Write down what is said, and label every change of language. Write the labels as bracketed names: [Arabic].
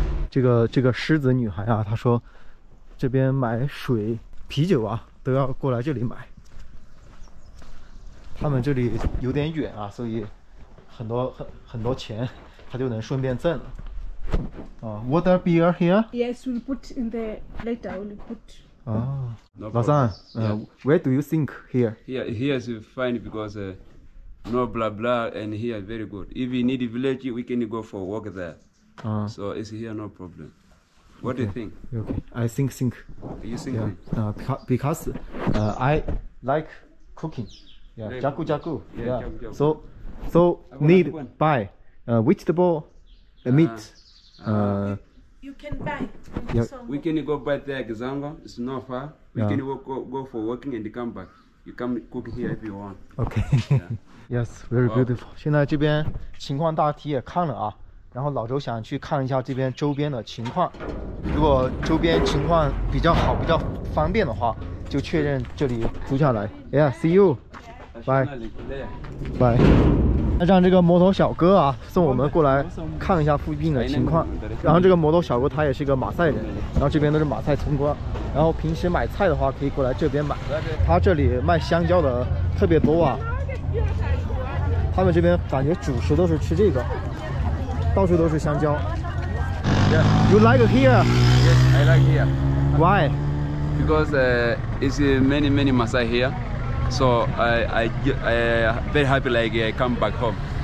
[Chinese] 这个狮子女孩啊，她说，这边买水、啤酒啊，都要过来这里买。他们这里有点远啊，所以很多钱他就能顺便挣了。 [English] Water beer here? Yes, we'll put in the later. We'll put. No problem. Yeah. Where do you think here? Here is fine because no blah blah, and here very good. If we need a village, we can go for a walk there. So it's here no problem. What okay. do you think? Okay, I think. You think? Yeah. Because I like cooking. Yeah, yeah, jaku jaku. Yeah. So need buy vegetable, meat. You can buy. We can go buy the gazango. It's not far. We can go for walking and come back. You come cook here if you want. Okay. Yeah. Yes, very beautiful. [Chinese] 现在这边情况大体也看了啊，然后老周想去看一下这边周边的情况。如果周边情况比较好、比较方便的话，就确认这里租下来。 [English] Yeah, see you. [Chinese] 拜拜，那让这个摩托小哥啊送我们过来看一下附近的情况。然后这个摩托小哥他也是个马赛人，然后这边都是马赛村庄，然后平时买菜的话可以过来这边买。他这里卖香蕉的特别多啊，他们这边感觉主食都是吃这个，到处都是香蕉。 [English] Yeah, you like here? Yes, I like here. Why? Because it's many many Maasai here. So I very happy like I come back home.